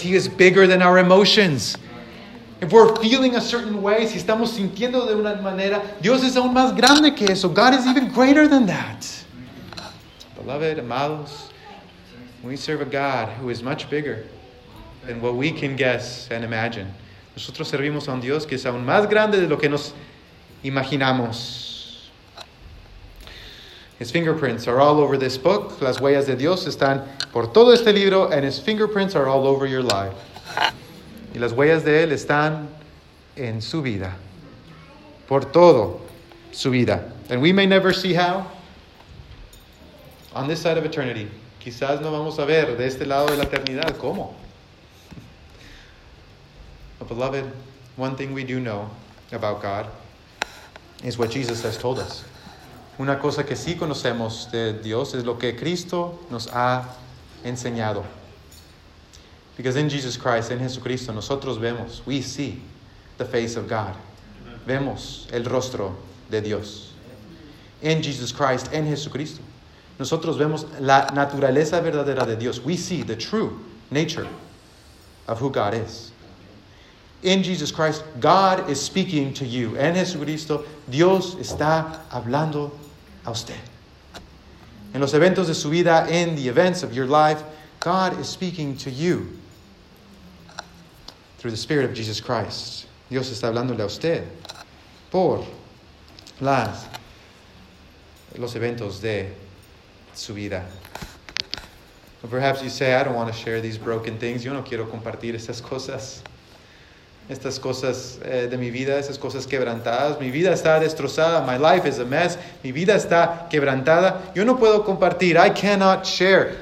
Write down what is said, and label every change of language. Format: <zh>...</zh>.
<en>He is bigger than our emotions. If we're feeling a certain way,</en> <es>si estamos sintiendo de una manera, Dios es aún más grande que eso.</es> <en>God is even greater than that. Beloved, amados, we serve a God who is much bigger than what we can guess and imagine.</en> <es>Nosotros servimos a un Dios que es aún más grande de lo que nos imaginamos.</es> <en>His fingerprints are all over this book.</en> <es>Las huellas de Dios están por todo este libro,</es> <en>and his fingerprints are all over your life.</en> <es>Y las huellas de Él están en su vida. Por todo su vida.</es> <en>And we may never see how. On this side of eternity.</en> <es>Quizás no vamos a ver de este lado de la eternidad. ¿Cómo?</es> <en>But beloved, one thing we do know about God is what Jesus has told us.</en> <es>Una cosa que sí conocemos de Dios es lo que Cristo nos ha enseñado.</es> <en>Because in Jesus Christ, in Jesucristo,</en> <es>nosotros vemos,</es> <en>we see the face of God.</en> <es>Vemos el rostro de Dios.</es> <en>In Jesus Christ,</en> <es>in Jesucristo, nosotros vemos la naturaleza verdadera de Dios.</es> <en>We see the true nature of who God is. In Jesus Christ, God is speaking to you.</en> <es>En Jesucristo, Dios está hablando a usted. En los eventos de su vida,</es> <en>in the events of your life, God is speaking to you. Through the Spirit of Jesus Christ.</en> <es>Dios está hablándole a usted por los eventos de su vida.</es> <en>Or perhaps you say, I don't want to share these broken things.</en> <es>Yo no quiero compartir estas cosas de mi vida, esas cosas quebrantadas. Mi vida está destrozada.</es> <en>My life is a mess.</en> <es>Mi vida está quebrantada. Yo no puedo compartir.</es> <en>I cannot share.</en>